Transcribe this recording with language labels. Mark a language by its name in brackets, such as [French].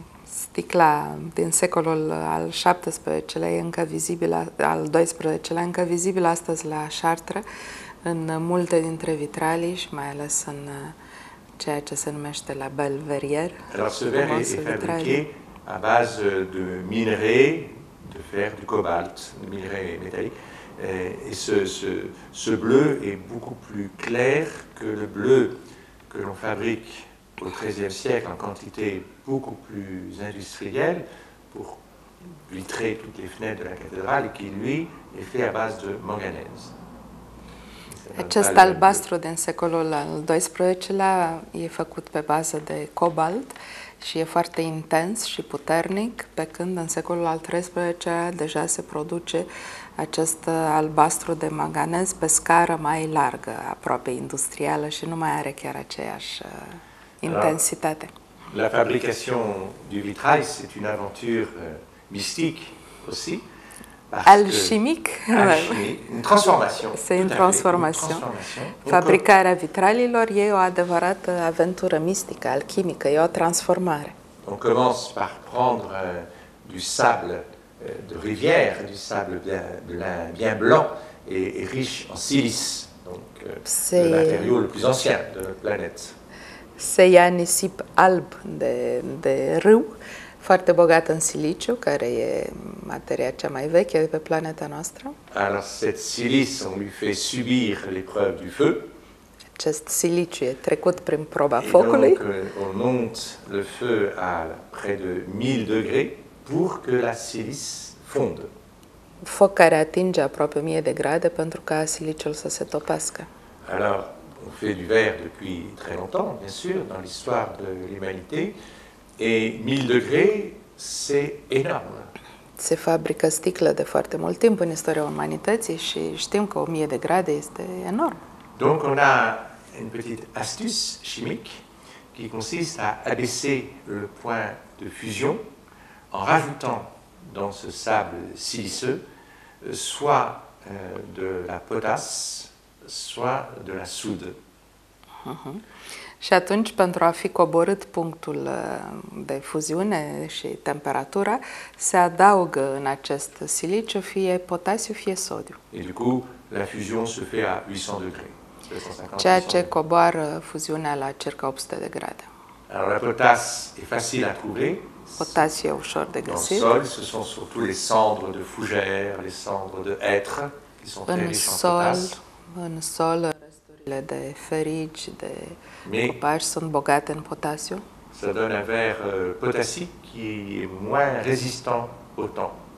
[Romanian] Sticla din secolul al XVII-lea e încă vizibilă, al XII-lea încă vizibilă astăzi la Chartres, în multe dintre vitralii și mai ales în ceea ce se numește la Belle Verrière. [French] Alors ce verre est fabriqué à base de minerai de fer, du cobalt, de minerai métallique. Et ce bleu est beaucoup plus clair que le bleu que l'on fabrique au XIIIe siècle en quantité beaucoup plus industrielle pour vitrer toutes les fenêtres de la cathédrale qui, lui, est fait à base de manganèse. [Romanian] Acest albastru din secolul al XII-lea e făcut pe bază de cobalt și e foarte intens și puternic, pe când în secolul al XIII-lea deja se produce acest albastru de manganez pe scară mai largă, aproape industrială și nu mai are chiar aceeași intensitate. [French] Alors, la fabrication du vitrail, c'est une aventure mystique aussi. Alchimique. Une transformation. C'est une transformation. [Romanian] Fabricarea vitralilor e o adevărată aventură mistică, alchimică, e o transformare. [French] On commence par prendre du sable de rivière, du sable bien blanc et riche en silice, donc le matériau le plus ancien de la planète. [Romanian] Se ia nisip alb de râu, foarte bogat în siliciu, care e materia cea mai veche pe planeta noastră. [French] Alors cette silice, on lui fait subir l'épreuve du feu. [Romanian] Acest siliciu e trecut prin proba focului. [French] Et donc on monte le feu à près de 1000 degrés pour que la silice fonde. [Romanian] Foc care atinge aproape 1000 de grade pentru ca siliciul să se topească. [French] Alors on fait du verre depuis très longtemps, bien sûr, dans l'histoire de l'humanité. Et 1000 degrés, c'est énorme. [Romanian] Se fabrică sticlă de foarte mult timp în istoria umanității și știm că 1000 de grade este enorm. [French] Donc on a une petite astuce chimique qui consiste à abaisser le point de fusion en rajoutant dans ce sable siliceux soit de la potasse, soit de la soude. [Romanian] Și atunci, pentru a fi coborât punctul de fuziune și temperatura, se adaugă în acest siliciu fie potasiu, fie sodiu. [French] Et du coup, la fusion se fait à 800 degrés. [Romanian] Ceea ce coboară fuziunea la circa 800 de grade. [French] Alors la potasse est facile à trouver. [Romanian] Potasiu e ușor de găsit. [French] Dans le sol, ce sont surtout les cendres de fougères, les cendres de hêtre, qui sont très riches en potasse. [Romanian] În sol, resturile de ferici, de copaci sunt bogate în potasiu. [French] Ça donne un verre potassique qui est moins résistant au temps.